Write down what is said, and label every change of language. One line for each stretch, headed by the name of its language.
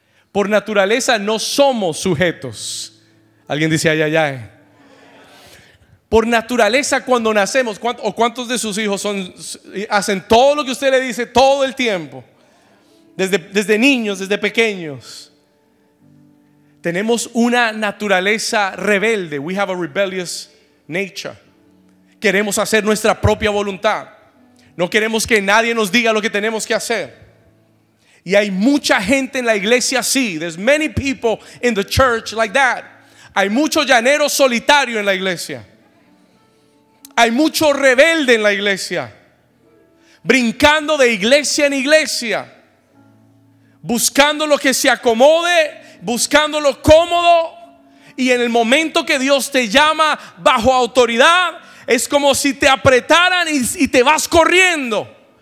Spanish: Por naturaleza no somos sujetos. Alguien dice ay, ay, ay. Por naturaleza, cuando nacemos, ¿cuántos de sus hijos hacen todo lo que usted le dice todo el tiempo? Desde niños, desde pequeños. Tenemos una naturaleza rebelde.
English: We have a rebellious nature.
Spanish: Queremos hacer nuestra propia voluntad. No queremos que nadie nos diga lo que tenemos que hacer. Y hay mucha gente en la iglesia así.
English: There's many people in the church like that.
Spanish: Hay mucho llanero solitario en la iglesia. Hay mucho rebelde en la iglesia, brincando de iglesia en iglesia, buscando lo que se acomode, buscando lo cómodo. Y en el momento que Dios te llama bajo autoridad, es como si te apretaran y te vas corriendo.